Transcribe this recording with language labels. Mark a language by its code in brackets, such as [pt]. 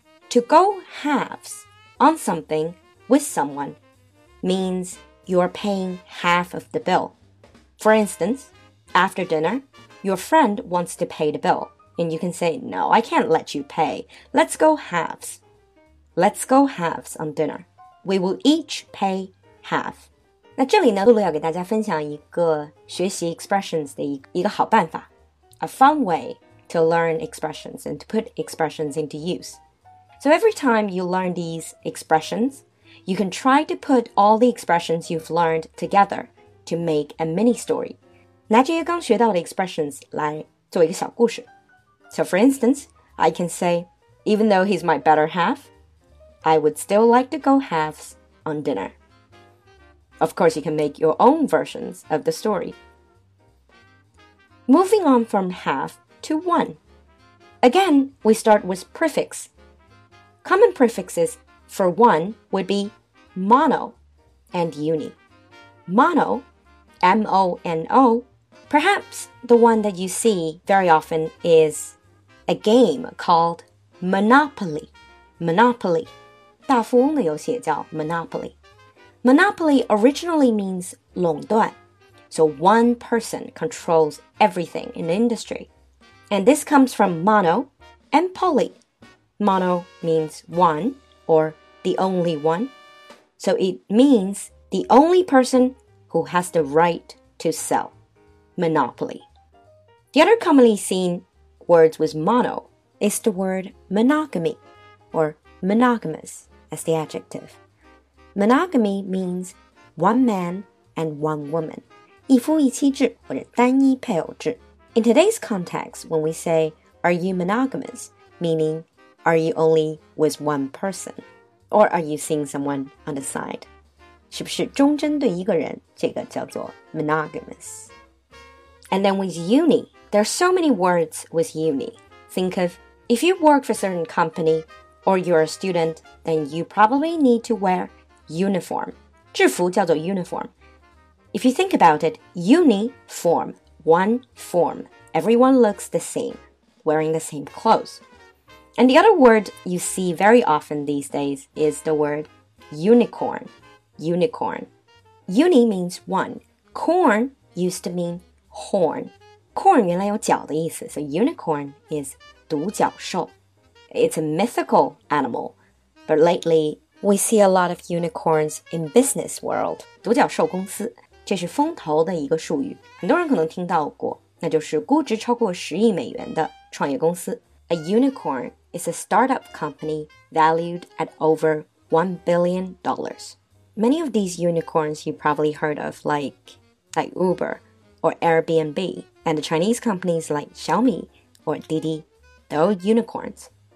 [en] To go halves on something with someone means you're paying half of the bill. For instance, after dinner, your friend wants to pay the bill, and you can say, no, I can't let you pay. Let's go halves. Let's go halves on dinner. We will each pay half. [zh] 那这里呢，露露要给大家分享一个学习 expressions 的一个好办法。 [en] A fun way to learn expressions and to put expressions into use. So every time you learn these expressions, you can try to put all the expressions you've learned together to make a mini story. [zh] 拿这些刚学到的 expressions 来做一个小故事。 [en] So for instance, I can say, even though he's my better half, I would still like to go halves on dinner. Of course, you can make your own versions of the story. Moving on from half to one. Again, we start with prefix. Common prefixes for one would be mono and uni. Mono, M-O-N-O, perhaps the one that you see very often is... A game called Monopoly. Monopoly. [zh] 大富翁的游戏也叫 Monopoly. [en] Monopoly originally means 垄断. So one person controls everything in the industry. And this comes from mono and poly. Mono means one or the only one. So it means the only person who has the right to sell. Monopoly. The other commonly seenwords with mono is the word monogamy or monogamous as the adjective. Monogamy means one man and one woman. [zh] 一夫一妻制或者单一配偶制。 [en] In today's context, when we say, are you monogamous? Meaning, are you only with one person? Or are you seeing someone on the side? [zh] 是不是忠贞对一个人这个叫做 monogamous? [en] And then with uni,There are so many words with uni. Think of, if you work for a certain company, or you're a student, then you probably need to wear uniform. [zh] 制服叫做 uniform. [en] If you think about it, uniform, one form. Everyone looks the same, wearing the same clothes. And the other word you see very often these days is the word unicorn. Unicorn. Uni means one. Corn used to mean horn. [zh] Corn 原来有角的意思 [en] so unicorn is [zh] 独角兽 [en] It's a mythical animal, but lately we see a lot of unicorns in business world. [zh] 独角兽公司这是风投的一个术语很多人可能听到过那就是估值超过$10 million的创业公司 [en] A unicorn is a startup company valued at over $1 billion. Many of these unicorns you probably heard of like Uber or AirbnbAnd the Chinese companies like Xiaomi or Didi, they're all unicorns.